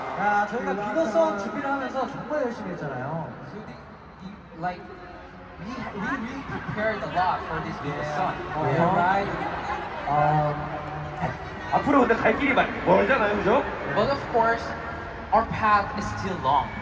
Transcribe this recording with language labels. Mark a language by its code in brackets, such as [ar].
[ko] 야, 저희가 비더송 준비를 하면서 정말 열심히 했잖아요. [en] Like. We really prepared a lot for this new song. Oh, yeah, uh-huh. Right. [ko] 앞으로 근데 갈 길이 멀잖아요, 그죠? [en] But of course, our path is still long.